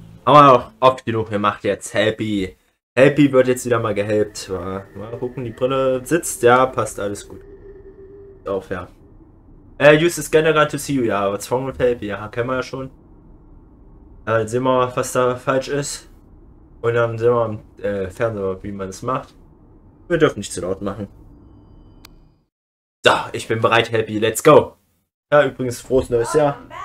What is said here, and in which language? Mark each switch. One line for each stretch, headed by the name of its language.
German: Haben wir auch oft genug gemacht jetzt. Happy. Happy wird jetzt wieder mal gehelpt. Mal gucken, die Brille sitzt. Ja, passt alles gut. Auf, ja.
English: Use the scanner gun to see you. Ja, what's wrong with Happy?
German: Ja, kennen wir ja schon. Dann sehen wir, was da falsch ist. Und dann sehen wir im Fernseher, wie man es macht. Wir dürfen nicht zu laut machen. So, ich bin bereit, Happy.
English: Let's go.
German: Ja, übrigens, frohes neues Jahr.